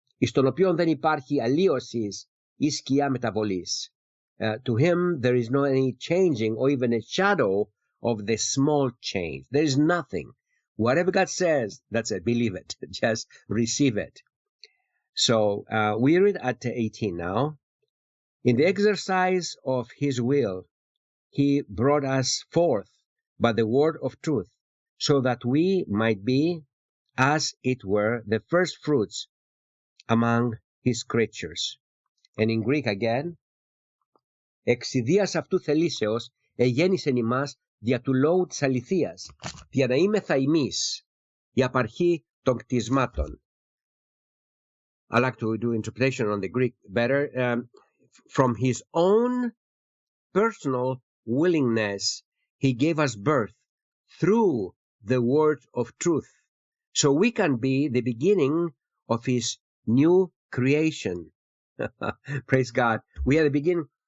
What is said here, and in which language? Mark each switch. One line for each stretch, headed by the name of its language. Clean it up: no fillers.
Greek: Εις τον οποίον δεν υπάρχει αλλίωσης ή σκιά μεταβολής.
English: To him, there is not any changing or even a shadow of the small change. There is nothing. Whatever God says, that's it. Believe it. Just receive it. So we read at 18 now. In the exercise of his will, he brought us forth by the word of truth, so that we might be, as it were, the first fruits among his creatures. And in Greek again,
Greek: εξ ιδίας αυτού θελήσεως εγέννησεν ημάς δια του λόγου της αληθείας, δια να είμεθα ημείς η απαρχή των κτισμάτων.
English: I like to do interpretation on the Greek better. From his own personal willingness, he gave us birth through the word of truth, so we can be the beginning of his new creation. Praise God. We are the beginning.